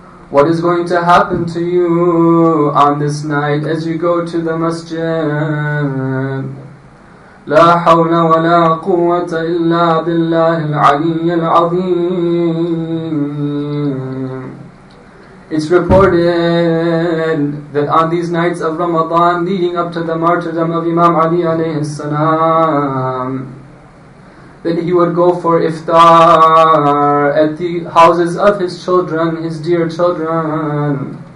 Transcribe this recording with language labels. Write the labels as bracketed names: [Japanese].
[English] What is going to happen to you on this night as you go to the masjid? [Arabic] لا حول ولا قوة إلا بالله العلي العظيم. [English] It's reported that on these nights of Ramadan leading up to the martyrdom of Imam Ali alayhi salam, then he would go for iftar at the houses of his children, his dear children.